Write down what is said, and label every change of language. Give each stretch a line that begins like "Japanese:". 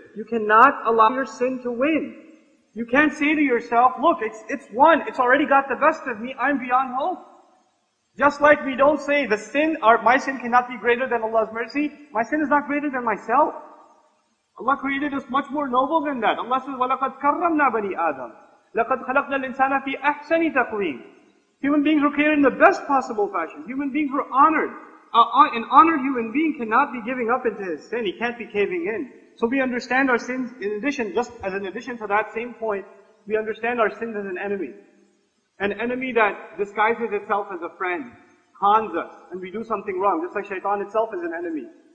English: You cannot allow your sin to win. You can't say to yourself, look, it's won, it's already got the best of me, I'm beyond hope. Just like we don't say the sin, or my sin cannot be greater than Allah's mercy, my sin is not greater than myself. Allah created us much more noble than that. Allah says,
Arabic: وَلَقَدْ كَرَّمْنَا بَنِي آدَمْ لَقَدْ خَلَقْنَا الْإِنسَانَ فِي أَحْسَنِ تَقْوِيمٍ.
English: Human beings were created in the best possible fashion. Human beings were honored. An honored human being cannot be giving up into his sin. He can't be caving in. So we understand our sins, in addition, just as an addition to that same point, we understand our sins as an enemy. An enemy that disguises itself as a friend, cons us, and we do something wrong, just like shaitan itself is an enemy.